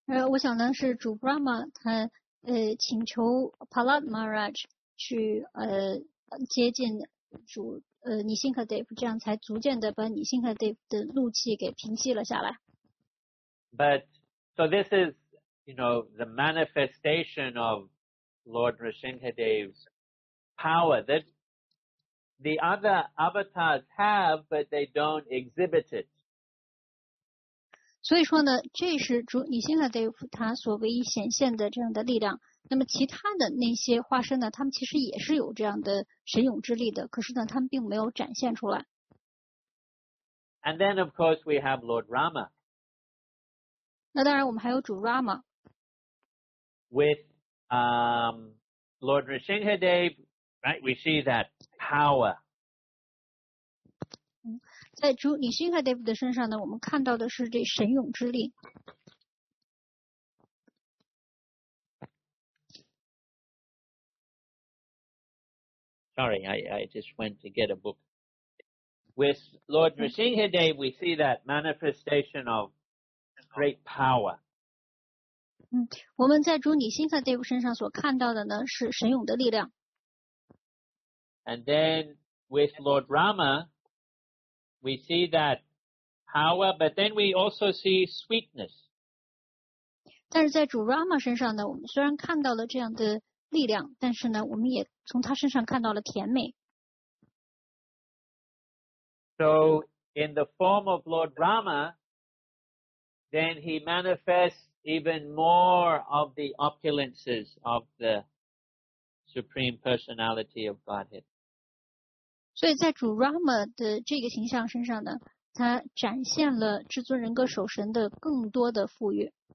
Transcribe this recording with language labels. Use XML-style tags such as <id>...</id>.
<zh>我想呢是主 Brahma 他请求 Prahlad Maharaj 去接近主Nisimhadev, 这样才逐渐的把 Nisimhadev 的怒气给平息了下来。</zh> <en>But so this is, you know, the manifestation of. Lord Nrisimhadev's power that the other avatars have, but they don't exhibit it.</en> <zh>所以说呢，这是主女性的 Dev 他所唯一显现的这样的力量。那么其他的那些化身呢，他们其实也是有这样的神勇之力的，可是呢，他们并没有展现出来。</zh> <en>And then, of course, we have Lord Rama.</en> <zh>那当然，我们还有主 Rama.</zh> <en>With Lord Nrisimhadev, right? We see that power.</en> <zh>在主女辛卡德夫的身上呢，我们看到的是这神勇之力。</zh> <en>Sorry, I just went to get a book. With Lord Nrisimhadev, we see that manifestation of great power.</en> <zh>我们在主女辛卡德夫身上所看到的呢是神勇的力量。</zh> <en>And then with Lord Rama, we see that power, but then we also see sweetness.</en> <zh>但是在主 Rama 身上呢，我们虽然看到了这样的力量，但是呢，我们也从他身上看到了甜美。</zh> <en>So in the form of Lord Rama, then he manifests. Even more of the opulences of the Supreme Personality of Godhead.</en> <zh>所以在主 Rama 的这个形象身上呢，他展现了至尊人格守神的更多的富裕。</zh>